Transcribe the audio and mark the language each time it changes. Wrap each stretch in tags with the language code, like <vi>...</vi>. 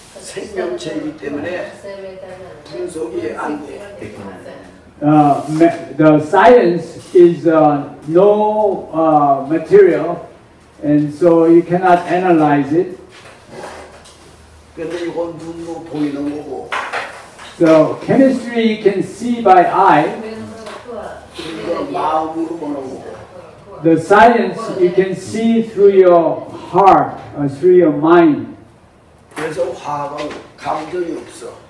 <ko>생명체이기 때문에 분석이 안 돼.</ko> <en>The science is no material, and so you cannot analyze it.</en> <ko>근데 이건 눈으로 보이는 거고.</ko> <en>So chemistry you can see by eye.</en> <ko>그리고 마음으로 보는 거고.</ko> <en>The science you can see through your heart, through your mind.</en> <ko>그래서 화학은 감정이 없어.</ko>